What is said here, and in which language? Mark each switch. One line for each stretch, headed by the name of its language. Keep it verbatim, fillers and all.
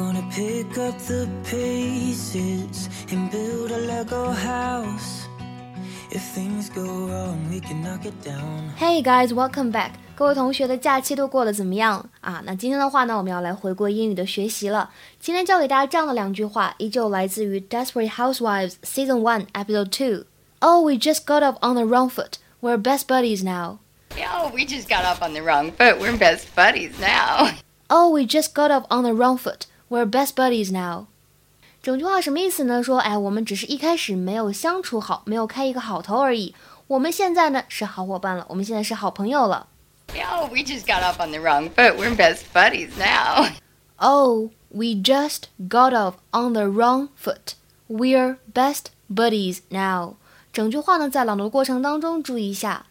English: pick up the pieces and build a Lego house. If things go wrong, we can knock it down. Hey guys, welcome back.
Chinese: 各位同学的假期都过得怎么样啊？那今天的话呢，我们要来回归英语的学习了。今天教给大家这样的两句话，依旧来自于 Desperate Housewives Season one Episode two.
English: Oh, we just got up on the wrong foot. We're best buddies now. Oh, we just got up on the wrong foot. We're best buddies now. Oh, we just got up on the wrong foot. We're best buddies now.
Chinese: 整句话什么意思呢？说，哎，我们只是一开始没有相处好，没有开一个好头而已。我们现在呢，是好伙伴了，我们现在是好朋友了。
English: Oh, we just got up on the wrong foot. We're best buddies now. Oh, we just got up on the wrong foot. We're best buddies now.
Chinese: 整句话呢，在朗读的过程当中注意一下。